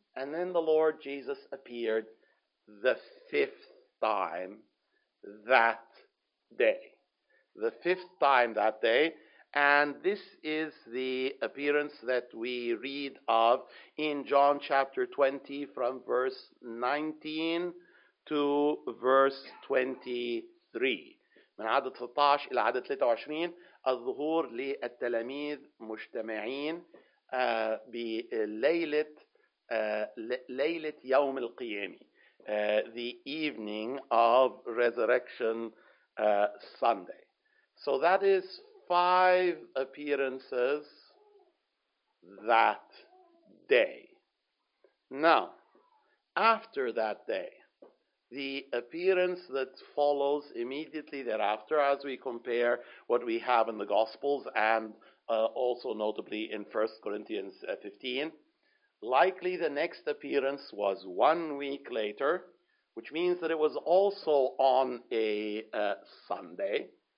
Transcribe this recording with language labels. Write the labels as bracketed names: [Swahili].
[English] And then the Lord Jesus appeared the fifth time that day. The fifth time that day. And this is the appearance that we read of in John chapter 20 from verse 19 to verse 23. [Arabic] من عدد 13 إلى عدد 23 الظهور للتلاميذ مجتمعين بليلة ليلة يوم القيامة, [English] the evening of Resurrection Sunday. So that is five appearances that day. Now, after that day, the appearance that follows immediately thereafter, as we compare what we have in the Gospels and also notably in 1 Corinthians 15, likely the next appearance was 1 week later, which means that it was also on a Sunday.